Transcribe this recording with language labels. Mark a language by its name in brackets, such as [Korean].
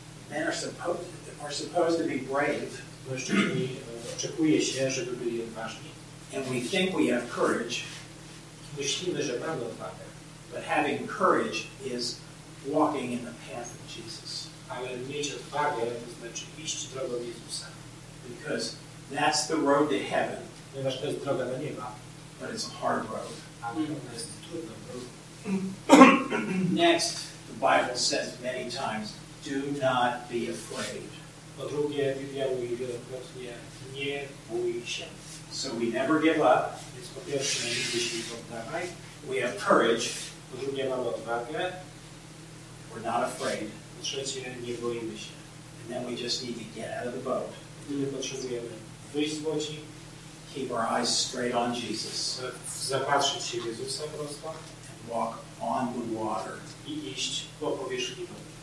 [English] Men are supposed to be brave. [Polish] Oczekuje się, żeby byli odważni. [English] And we think we have courage. [Polish] Myślimy, że mamy odwagę. [English] But having courage is walking in the path of Jesus. [Polish] Ale mieć odwagę znaczy iść drogą Jezusa. [English] Because that's the road to heaven. [Polish] Ponieważ to jest droga do nieba. [English] But it's a hard road. [Polish] Ale to jest trudna droga. [English] Next, the Bible says many times, Do not be afraid. [Polish] Po drugie, diabeł mówi wielokrotnie, nie bój się. [English] So we never give up. [Polish] Więc po pierwsze, nigdy się nie poddawaj. [English] We have courage. [Polish] Po drugie, mamy odwagę. [English] We're not afraid. [Polish] Po trzecie, nie boimy się. [English] And then we just need to get out of the boat. [Polish] I my potrzebujemy wyjść z łodzi. [English] Keep our eyes straight on Jesus. [Polish] Zapatrzyć się w Jezusa prosto. [English] And walk on the water. [Polish] I iść po powierzchni wody.